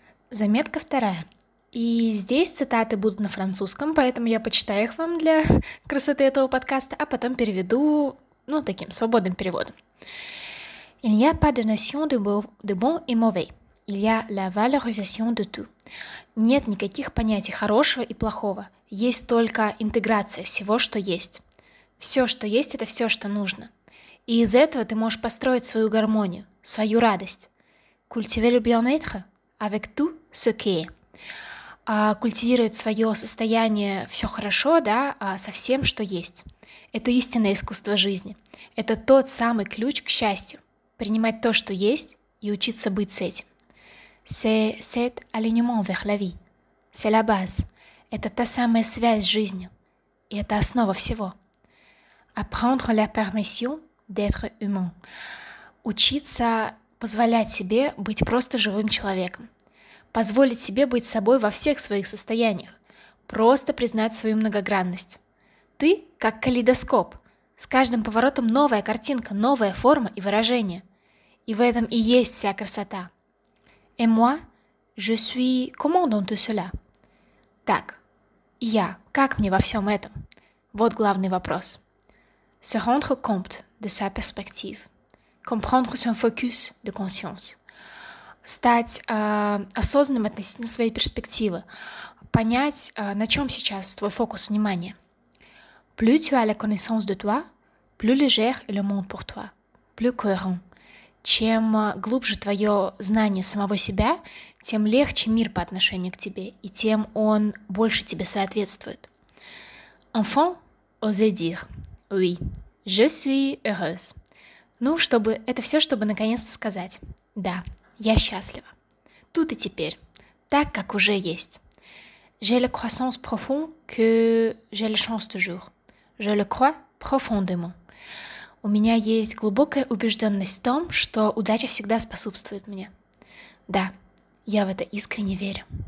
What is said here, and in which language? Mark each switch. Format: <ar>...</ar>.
<ru>Заметка вторая. И здесь цитаты будут на французском, поэтому я почитаю их вам для красоты этого подкаста, а потом переведу, ну, таким свободным переводом.</ru> <fr>Il n'y a pas de notion de bon и mauvais. Il y a la valorisation de tout.</fr> <ru>Нет никаких понятий хорошего и плохого. Есть только интеграция всего, что есть. Все, что есть, это все, что нужно. И из этого ты можешь построить свою гармонию, свою радость.</ru> <fr>Cultiver le bien-être avec tout ce qui est.</fr> <ru>Культивировать свое состояние все хорошо, да, со всем, что есть. Это истинное искусство жизни. Это тот самый ключ к счастью. Принимать то, что есть, и учиться быть с этим.</ru> <fr>C'est alignement vers la vie. C'est la base.</fr> <ru>Это та самая связь с жизнью. И это основа всего.</ru> <fr>Apprendre la permission d'être humain.</fr> <ru>Учиться позволять себе быть просто живым человеком. Позволить себе быть собой во всех своих состояниях. Просто признать свою многогранность. Ты как калейдоскоп. С каждым поворотом новая картинка, новая форма и выражение. И в этом и есть вся красота.</ru> <fr>Et moi, je suis comment dans tout cela?</fr> <ru>Так, я как мне во всем этом? Вот главный вопрос.</ru> <fr>Se rendre compte de sa perspective. Comprendre son focus de conscience.</fr> <ru>Стать осознанным относительно своей перспективы. Понять, на чем сейчас твой фокус внимания.</ru> <fr>Plus tu as la connaissance de toi, plus léger est le monde pour toi, plus cohérent.</fr> <ru>Чем глубже твое знание самого себя, тем легче мир по отношению к тебе, и тем он больше тебе соответствует.</ru> <fr>Enfant, osez dire. Oui, je suis heureuse.</fr> <ru>Ну, чтобы это все, чтобы наконец-то сказать. Да, я счастлива. Тут и теперь. Так, как уже есть.</ru> <fr>J'ai la croissance profonde que j'ai la chance toujours. Je le crois profondément.</fr> <ru>У меня есть глубокая убежденность в том, что удача всегда способствует мне. Да, я в это искренне верю.</ru>